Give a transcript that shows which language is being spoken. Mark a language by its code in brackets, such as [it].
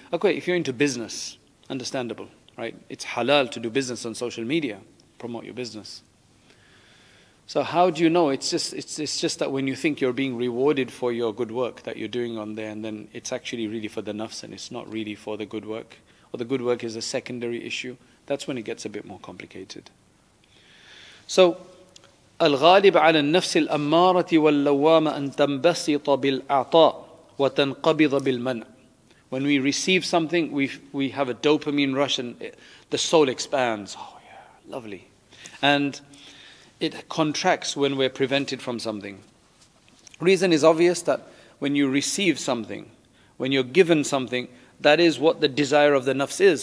[en] Okay, if you're into business, understandable, right? It's halal to do business on social media, promote your business. So how do you know? It's just that when you think you're being rewarded for your good work that you're doing on there, and then it's actually really for the nafs and it's not really for the good work, or the good work is a secondary issue, that's when it gets a bit more complicated. [ar] So, الغالب على النفس الأمارة واللوامة أن تنبسط بالعطاء وتنقبض بالمنع. [en] When we receive something, we have a dopamine rush and the soul expands. Oh yeah, lovely. And it contracts when we're prevented from something. Reason is obvious that when you receive something, when you're given something, that is what the desire of the nafs is.